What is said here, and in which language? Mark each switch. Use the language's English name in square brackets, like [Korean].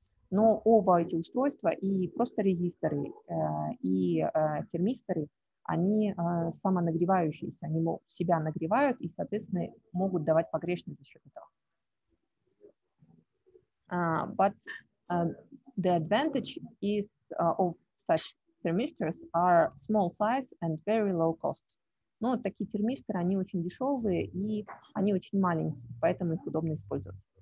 [Russian] Но оба эти устройства, и просто резисторы, и термисторы, они самонагревающиеся, они себя нагревают и, соответственно, могут давать погрешность за счет этого. [English] But the advantage is of such thermistors are small size and very low cost. [Russian] Но такие термисторы, они очень дешевые и они очень маленькие, поэтому их удобно использовать.